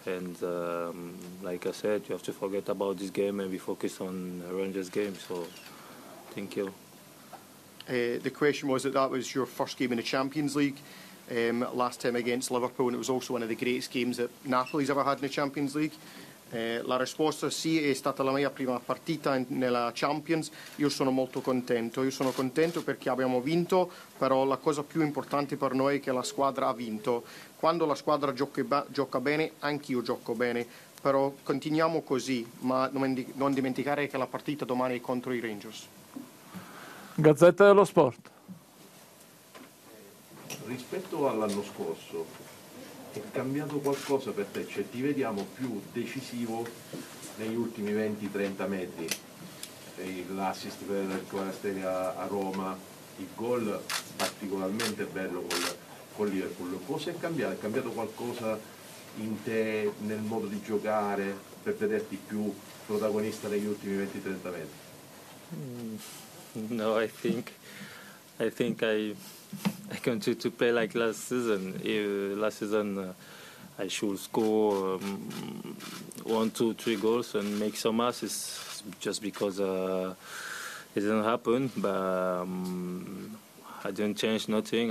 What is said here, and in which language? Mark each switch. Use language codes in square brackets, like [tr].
[en] And like I said, you have to forget about this game and be focused on Rangers game. So thank you. The question was that was your first game in the Champions League, last time against Liverpool, and it was also one of the greatest games that Napoli's ever had in the Champions League. [it] La risposta sì, è stata la mia prima partita nella Champions. Io sono molto contento. Io sono contento perché abbiamo vinto, però la cosa più importante per noi è che la squadra ha vinto. Quando la squadra gioca bene, anch'io gioco bene. Però continuiamo così, ma non dimenticare che la partita domani è contro i Rangers. Gazzetta dello Sport. Rispetto all'anno scorso, è cambiato qualcosa per te? Cioè ti vediamo più decisivo negli ultimi 20-30 metri, l'assist per il Coastelli a Roma, il gol particolarmente bello con Liverpool. Cosa è cambiato? È cambiato qualcosa in te, nel modo di giocare, per vederti più protagonista negli ultimi 20-30 metri? [en] No, I think I continue to play like last season. Last season, I should score one, two, three goals and make some assists, just because it didn't happen, but I didn't change nothing.